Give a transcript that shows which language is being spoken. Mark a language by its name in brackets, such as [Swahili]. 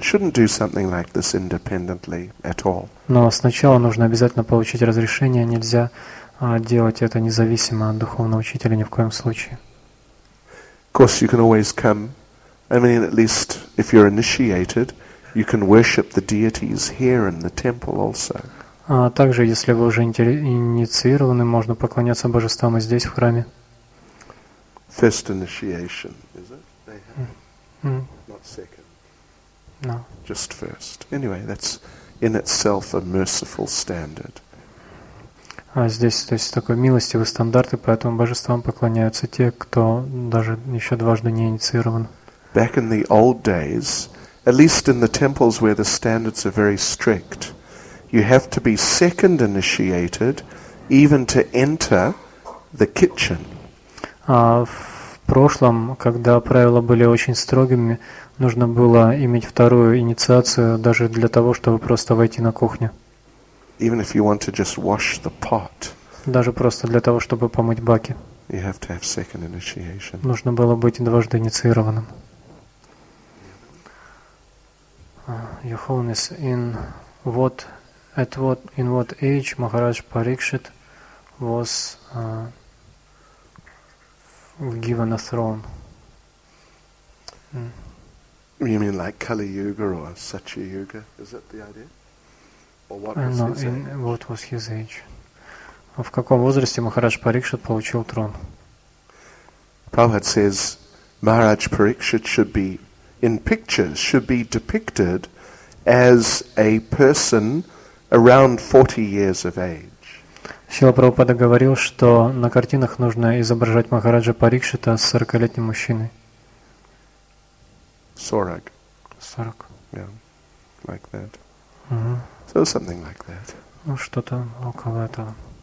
[English] Shouldn't do something like this independently at all. [Russian] Но сначала нужно обязательно получить разрешение. Нельзя делать это независимо от духовного учителя ни в коем случае. [English] Of course, you can always come. I mean, at least if you're initiated, you can worship the deities here in the temple also. [Russian] Также, если вы уже инициированы, можно поклоняться божествам и здесь, в храме. [English] First initiation, is it? Not second. No. Just first. Anyway, that's in itself a merciful standard. [Russian] Здесь, то есть, такой милостивый стандарт, и поэтому божествам поклоняются те, кто даже еще дважды не инициирован. [English] back in the old days, at least in the temples where the standards are very strict, you have to be second initiated even to enter the kitchen. [Russian] В прошлом, когда правила были очень строгими, нужно было иметь вторую инициацию даже для того, чтобы просто войти на кухню. [English] Even if you want to just wash the pot. [Russian] Даже просто для того, чтобы помыть баки. [English] You have to have second initiation. [Russian] Нужно было быть дважды инициированным. [English] Your Holiness, in what age Maharaj Parikshit was given a throne? You mean like Kali Yuga or Satya Yuga? Is that the idea? Or what was What was his age? [Russian] В каком возрасте Махарадж Парикшит получил трон? [English] Prabhupada says, Maharaj Parikshit should be in pictures, should be depicted as a person around 40 years of age. [Russian] Шрила Прабхупада говорил, что на картинах нужно изображать Махараджа Парикшита с 40-летним мужчиной. [English] 40. 40. Yeah, like that. Mm-hmm. So something like that. [Russian] Ну, что-то около этого.